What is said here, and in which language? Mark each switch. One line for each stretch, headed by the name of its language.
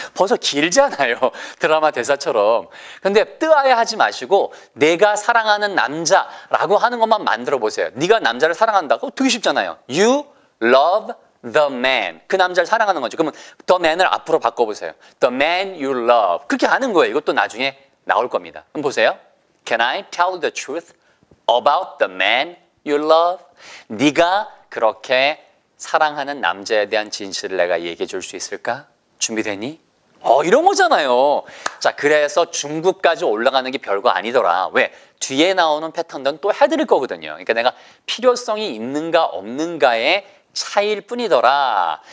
Korean: 벌써 길잖아요. 드라마 대사처럼. 근데 뜨아야 하지 마시고 내가 사랑하는 남자라고 하는 것만 만들어 보세요. 네가 남자를 사랑한다. 그거 되게 쉽잖아요.
English: You love the man.
Korean: 그 남자를 사랑하는 거죠. 그러면 the man을 앞으로 바꿔보세요.
English: The man you love.
Korean: 그렇게 하는 거예요. 이것도 나중에 나올 겁니다. 그럼 보세요.
English: Can I tell the truth about the man you love?
Korean: 네가 그렇게 사랑하는 남자에 대한 진실을 내가 얘기해 줄 수 있을까? 준비되니? 이런 거잖아요. 자, 그래서 중급까지 올라가는 게 별거 아니더라. 왜? 뒤에 나오는 패턴들은 또 해드릴 거거든요. 그러니까 내가 필요성이 있는가 없는가의 차이일 뿐이더라.